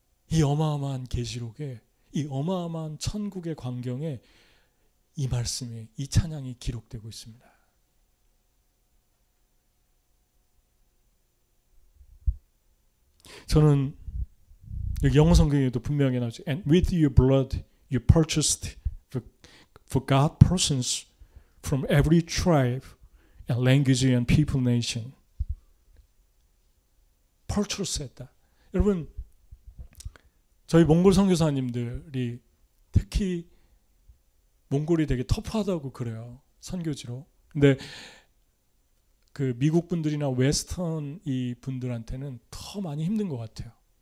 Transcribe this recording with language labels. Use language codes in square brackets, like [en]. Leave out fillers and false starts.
[ko] 이 어마어마한 계시록에, 이 어마어마한 천국의 광경에 이 말씀이, 이 찬양이 기록되고 있습니다. 저는 여기 영어 성경에도 분명히 나오죠. [en] And with your blood you purchased for God persons from every tribe and language and people nation. [ko] Purchase 했다. 여러분, 저희 몽골 선교사님들이 특히 몽골이 되게 터프하다고 그래요. 선교지로. 근데 그 미국 분들이나 웨스턴 이 분들한테는 더 많이 힘든 것 같아요.